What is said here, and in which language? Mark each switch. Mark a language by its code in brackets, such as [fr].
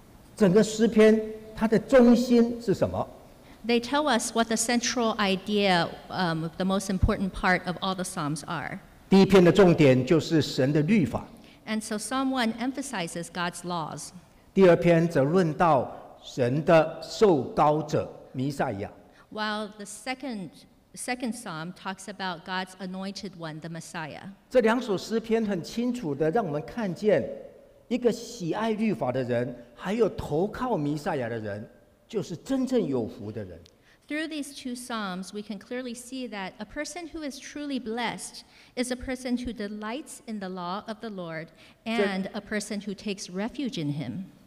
[zh] 它告诉我们这个诗篇,整个诗篇,它的中心是什么? [en] They tell us what the central idea, the most important part of all the Psalms are. [zh] 第一篇的重点就是神的律法。 [en] And so Psalm 1 emphasizes God's laws. [zh] 第二篇则论到神的受膏者弥赛亚。 [en] While the second Psalm talks about God's anointed one, the Messiah. [zh] 这两首诗篇很清楚地让我们看见一个喜爱律法的人还有投靠弥赛亚的人就是真正有福的人。 [en] Through these two Psalms, we can clearly see that a person who is truly blessed is a person who delights in the law of the Lord and a person who takes refuge in Him.